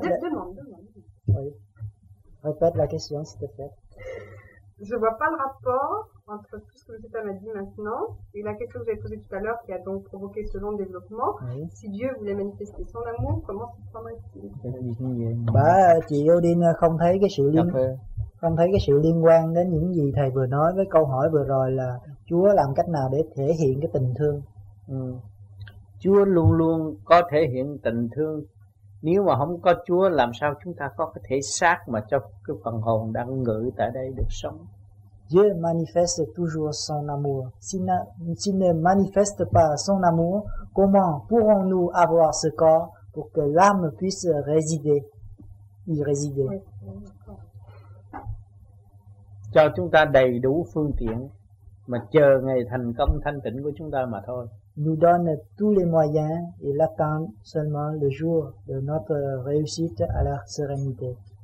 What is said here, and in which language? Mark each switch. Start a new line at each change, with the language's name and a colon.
French: Demande. Oui. Répète la question, s'il te plaît. Je vois pas le rapport entre tout ce que vous avez dit maintenant et la question que vous avez posée tout à l'heure qui a donc provoqué ce long développement. Oui. Si Dieu voulait manifester son amour, comment se prendrait-il?
Vietnamese: Bah, chị Odine không thấy cái sự liên không thấy cái sự liên quan đến những gì thầy vừa nói với câu hỏi vừa rồi là Chúa làm cách nào để thể hiện cái tình thương? Chúa luôn luôn có thể hiện tình thương. Nếu mà không có Chúa làm sao chúng ta có cái thể xác mà cho cái phần hồn đang ngự tại đây được sống?
French: Dieu manifeste toujours son amour. S'il ne manifeste pas son amour, comment pourrons-nous avoir ce corps pour que l'âme puisse résider, y résider?
Vietnamese: Cho chúng ta đầy đủ phương tiện mà chờ ngày thành công thanh tịnh của chúng ta mà thôi.
French: Nous donne tous les moyens et l'attend seulement le jour de notre réussite à la sérénité.